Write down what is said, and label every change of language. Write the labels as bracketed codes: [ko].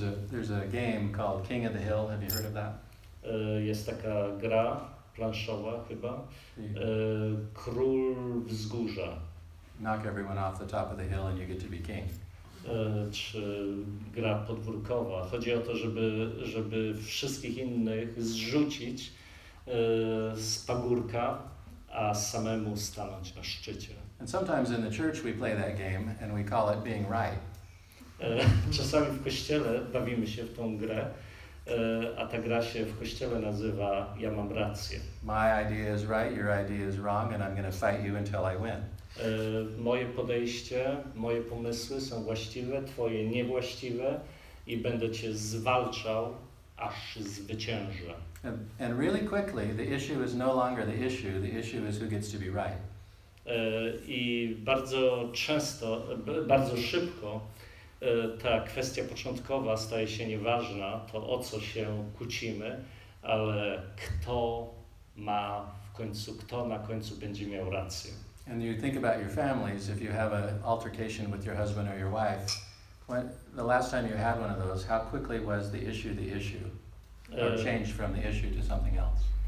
[en] There's a game called King of the Hill. Have you heard of that? [pl] Jest taka gra planszowa chyba. Król wzgórza. [en] Knock everyone off the top of the hill and you get to be king. [pl] Czy gra podwórkowa. Chodzi o to, żeby wszystkich innych zrzucić z pagórka, a samemu stanąć na szczycie. [en] And sometimes in the church we play that game and we call it being right. [pl] Czasami w kościele bawimy się w tą grę, a ta gra się w kościele nazywa ja mam rację. [en] My idea is right, your idea is wrong and I'm going to fight you until I win. [pl] Moje podejście, moje pomysły są właściwe, twoje niewłaściwe i będę cię zwalczał, aż zwyciężę. [en] And really quickly, the issue is no longer the issue is who gets to be right. [pl] I bardzo często, bardzo szybko ta kwestia początkowa staje się nieważna, to o co się kłócimy, ale kto na końcu będzie miał rację. [en] And you think about your families, if you have an altercation with your husband or your wife, when the last time you had one of those, how quickly was the issue, or changed from the issue to something else?